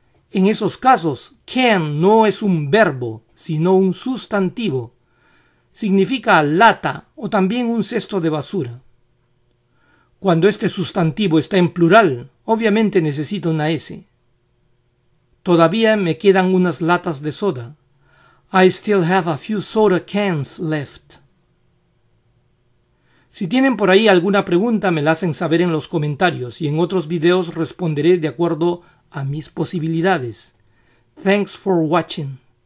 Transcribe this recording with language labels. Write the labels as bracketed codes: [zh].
[es] En esos casos, can no es un verbo, sino un sustantivo. Significa lata o también un cesto de basura. Cuando este sustantivo está en plural, obviamente necesita una S. Todavía me quedan unas latas de soda. [en] I still have a few soda cans left. [es] Si tienen por ahí alguna pregunta, me la hacen saber en los comentarios y en otros videos responderé de acuerdo a mis posibilidades. [en] Thanks for watching.